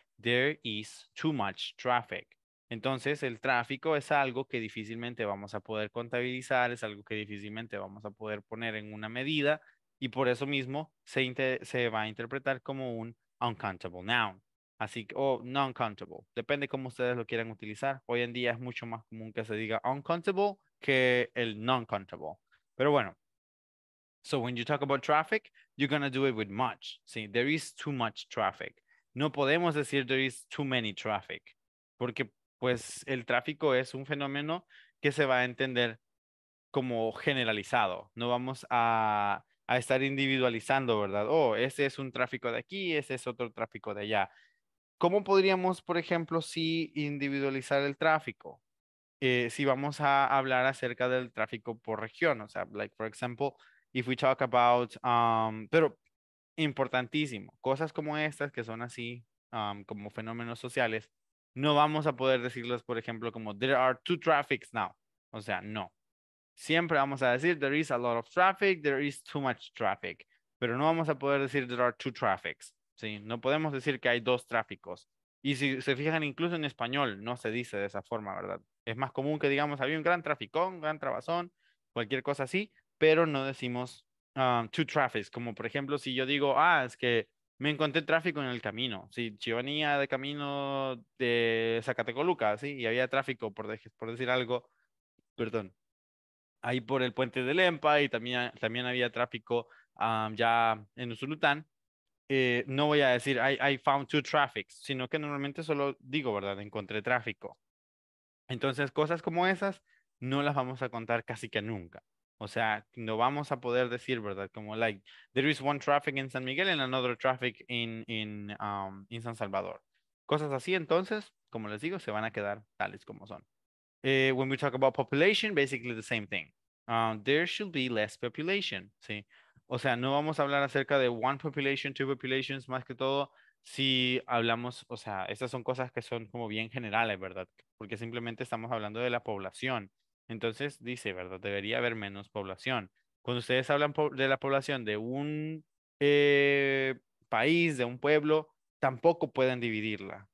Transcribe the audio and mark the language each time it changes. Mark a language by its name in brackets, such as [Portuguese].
[English] There is too much traffic. [Spanish] Entonces, el tráfico es algo que difícilmente vamos a poder contabilizar, es algo que difícilmente vamos a poder poner en una medida, y por eso mismo se va a interpretar como un uncountable noun. Así que, non-countable, depende cómo ustedes lo quieran utilizar. Hoy en día es mucho más común que se diga uncountable que el non-countable. Pero bueno, [English] so when you talk about traffic, you're going to do it with much. See, there is too much traffic. [Spanish] No podemos decir [English] there is too many traffic, [Spanish] porque pues el tráfico es un fenómeno que se va a entender como generalizado. No vamos a estar individualizando, ¿verdad? Oh, ese es un tráfico de aquí, ese es otro tráfico de allá. ¿Cómo podríamos, por ejemplo, si individualizar el tráfico? Si vamos a hablar acerca del tráfico por región, o sea, [English] like, for example, if we talk about, [Spanish] pero importantísimo, cosas como estas que son así como fenómenos sociales, no vamos a poder decirles, por ejemplo, como [English] there are two traffics now. [Spanish] O sea, no. Siempre vamos a decir [English] there is a lot of traffic, there is too much traffic. [Spanish] Pero no vamos a poder decir [English] there are two traffics. [Spanish] ¿Sí? No podemos decir que hay dos tráficos. Y si se fijan, incluso en español no se dice de esa forma, ¿verdad? Es más común que digamos, había un gran traficón, gran trabazón, cualquier cosa así, pero no decimos [English] two traffics. [Spanish] Como por ejemplo, si yo digo, ah, es que me encontré tráfico en el camino. Si yo venía de camino de Zacatecoluca, ¿sí? Y había tráfico, por decir algo, ahí por el puente de Lempa y también había tráfico ya en Usulután. No voy a decir, [English] I found two traffics, [Spanish] sino que normalmente solo digo, ¿verdad? Encontré tráfico. Entonces, cosas como esas no las vamos a contar casi que nunca. O sea, no vamos a poder decir, ¿verdad? Como, [English] like, there is one traffic in San Miguel and another traffic in San Salvador. [Spanish] Cosas así, entonces, como les digo, se van a quedar tales como son. [English] When we talk about population, basically the same thing. There should be less population, [Spanish] ¿sí? O sea, no vamos a hablar acerca de [English] one population, two populations, [Spanish] más que todo, si hablamos, o sea, estas son cosas que son como bien generales, ¿verdad? Porque simplemente estamos hablando de la población. Entonces, dice, ¿verdad? Debería haber menos población. Cuando ustedes hablan de la población de un país, de un pueblo, tampoco pueden dividirla.